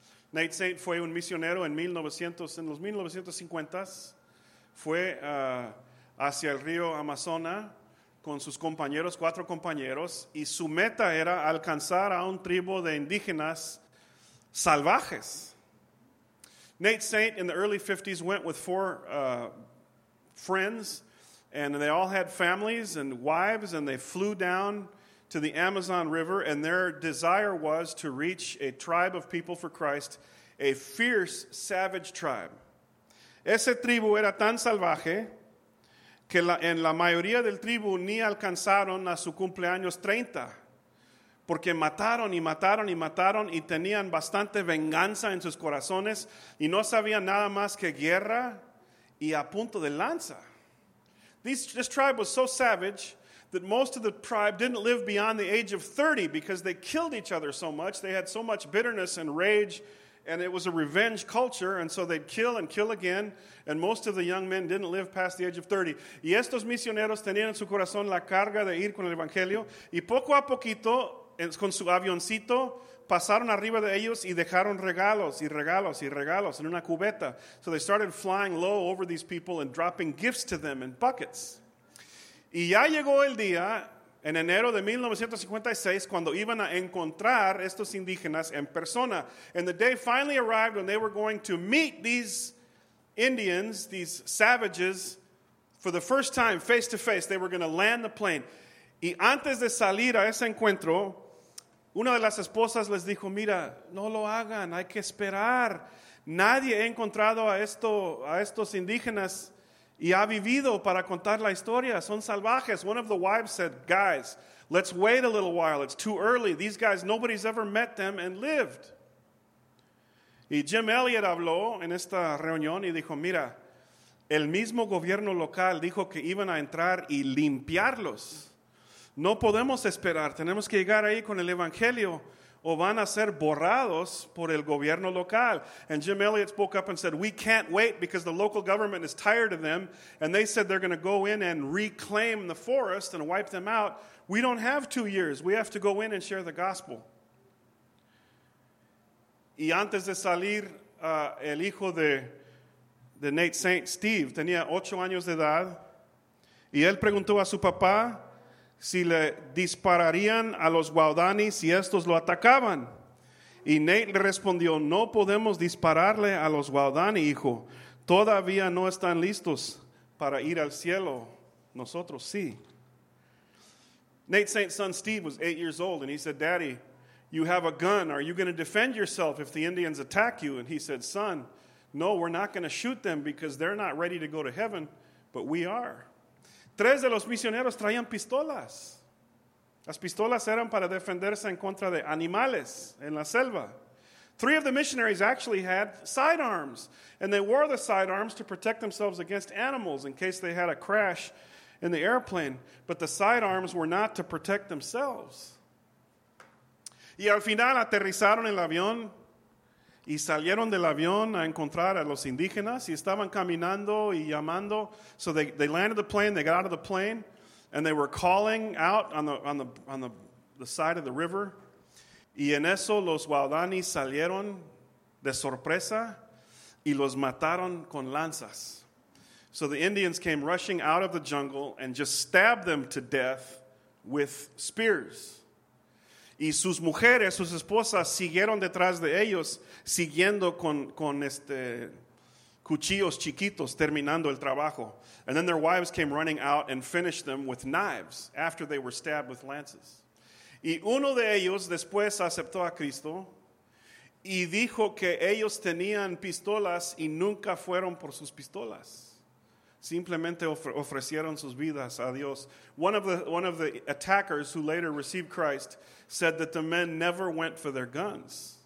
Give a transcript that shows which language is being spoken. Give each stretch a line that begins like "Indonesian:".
Spanish: Nate Saint fue un misionero en los 1950s. Fue hacia el río Amazonas con sus compañeros, cuatro compañeros, y su meta era alcanzar a un tribu de indígenas salvajes.
English: Nate Saint in the early 50s went with four friends, and they all had families and wives, and they flew down to the Amazon River, and their desire was to reach a tribe of people for Christ, a fierce, savage tribe.
Spanish: Ese tribu era tan salvaje que en la mayoría del tribu ni alcanzaron a su cumpleaños 30, porque mataron y mataron y mataron y tenían bastante venganza en sus corazones y no sabían nada más que guerra y a punto de lanza.
English: This tribe was so savage that most of the tribe didn't live beyond the age of 30 because they killed each other so much. They had so much bitterness and rage And it was a revenge culture, and so they'd kill and kill again, and most of the young men didn't live past the age of 30.
Spanish: Y estos misioneros tenían en su corazón la carga de ir con el evangelio, y poco a poquito, con su avioncito, pasaron arriba de ellos y dejaron regalos y regalos y regalos en una cubeta.
English: So they started flying low over these people and dropping gifts to them in buckets.
Spanish: Y ya llegó el día, en enero de 1956, cuando iban a encontrar estos indígenas en persona.
English: And the day finally arrived when they were going to meet these Indians, these savages, for the first time, face to face. They were going to land the plane.
Spanish: Y antes de salir a ese encuentro, una de las esposas les dijo, mira, no lo hagan, hay que esperar. Nadie ha encontrado a estos indígenas y ha vivido para contar la historia. Son salvajes.
English: One of the wives said, guys, let's wait a little while. It's too early. These guys, nobody's ever met them and lived.
Spanish: Y Jim Elliot habló en esta reunión y dijo, mira, el mismo gobierno local dijo que iban a entrar y limpiarlos. No podemos esperar. Tenemos que llegar ahí con el evangelio o van a ser borrados por el gobierno local.
English: And Jim Elliot spoke up and said, we can't wait because the local government is tired of them. And they said they're going to go in and reclaim the forest and wipe them out. We don't have 2 years. We have to go in and share the gospel.
Spanish: Y antes de salir, el hijo de Nate Saint Steve tenía 8 años de edad. Y él preguntó a su papá si le dispararían a los Guaudani si estos lo atacaban. Y Nate le respondió, no podemos dispararle a los Guaudani, hijo. Todavía no están listos para ir al cielo. Nosotros sí.
English: Nate Saint's son Steve was 8 years old, and he said, Daddy, you have a gun. Are you going to defend yourself if the Indians attack you? And he said, son, no, we're not going to shoot them because they're not ready to go to heaven, but we are.
Spanish: Tres de los misioneros traían pistolas. Las pistolas eran para defenderse en contra de animales en la selva.
English: Three of the missionaries actually had sidearms, and they wore the sidearms to protect themselves against animals in case they had a crash in the airplane, but the sidearms were not to protect themselves.
Spanish: Y al final aterrizaron en el avión y salieron del avión a encontrar a los indígenas y estaban caminando y llamando.
English: So they landed the plane, they got out of the plane, and they were calling out on the side of the river.
Spanish: Y en eso los Guaudani salieron de sorpresa y los mataron con lanzas.
English: So the Indians came rushing out of the jungle and just stabbed them to death with spears.
Spanish: Y sus mujeres, sus esposas, siguieron detrás de ellos, siguiendo con cuchillos chiquitos, terminando el trabajo.
English: And then their wives came running out and finished them with knives after they were stabbed with lances.
Spanish: Y uno de ellos después aceptó a Cristo y dijo que ellos tenían pistolas y nunca fueron por sus pistolas. Simplemente ofrecieron sus vidas a Dios.
English: One of the attackers who later received Christ said that the men never went for their guns.